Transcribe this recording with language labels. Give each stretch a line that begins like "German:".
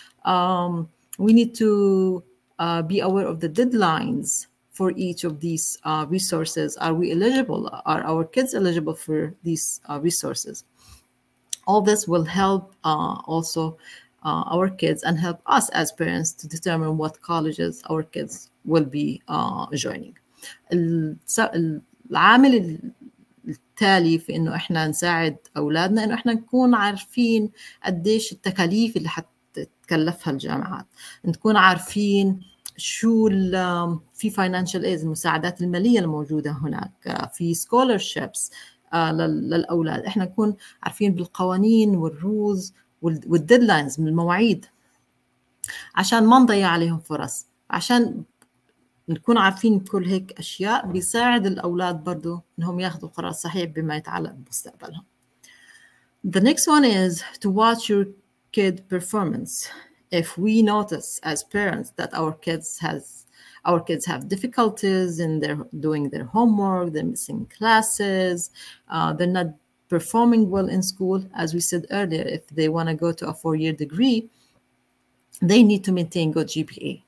English: We need to be aware of the deadlines for each of these resources. Are we eligible? Are our kids eligible for these resources? All this will help also our kids and help us as parents to determine what colleges our kids will be joining.
Arabic: العامل التالي في انه احنا نساعد اولادنا انه احنا نكون عارفين قديش التكاليف اللي حتتكلفها الجامعات, نكون عارفين شو في financial aid, المساعدات المالية الموجودة هناك, في scholarships للأولاد. إحنا نكون عارفين بالقوانين والروز والديدلاينز من المواعيد عشان ما نضيع عليهم فرص. عشان نكون عارفين كل هيك أشياء بيساعد الأولاد برضو إنهم ياخذوا قرار صحيح بما يتعلق بمستقبلهم.
English: The next one is to watch your kid performance. If we notice as parents that our kids have difficulties in their doing their homework, they're missing classes, they're not performing well in school, as we said earlier, if they want to go to a four-year degree, they need to maintain good GPA.